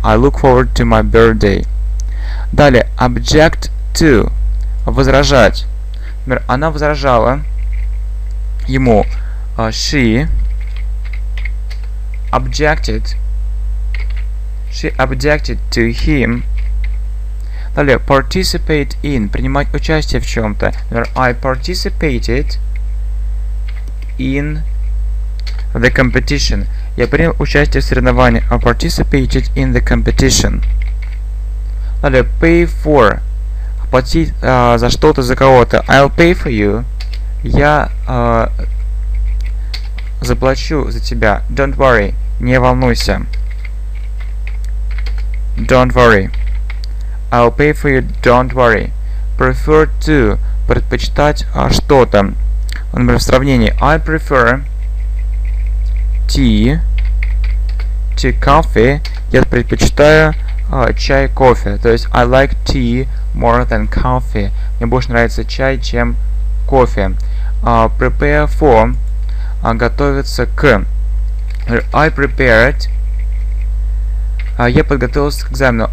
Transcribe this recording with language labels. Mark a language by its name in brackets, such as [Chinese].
[English] I look forward to my birthday. [Russian] Далее, [English] object to. [Russian] Возражать. Например, она возражала ему. [English] She objected. She objected to him. [Russian] Далее, [English] participate in. [Russian] Принимать участие в чем-то. Например, [English] I participated in the competition. [Russian] Я принял участие в соревновании. [English] I participated in the competition. [Russian] Далее, [English] pay for. [Russian] Платить за что-то, за кого-то. [English] I'll pay for you. [Russian] Я заплачу за тебя. [English] Don't worry. [Russian] Не волнуйся. [English] Don't worry. I'll pay for you. Don't worry. Prefer to. [Russian] Предпочитать что-то. Например, в сравнении. [English] I prefer tea to coffee. [Russian] Я предпочитаю чай, кофе. То есть [English] I like tea more than coffee. [Russian] Мне больше нравится чай, чем кофе. [English] Prepare for. [Russian] Готовиться к. [English] I prepared. [Russian] Я подготовился к экзамену.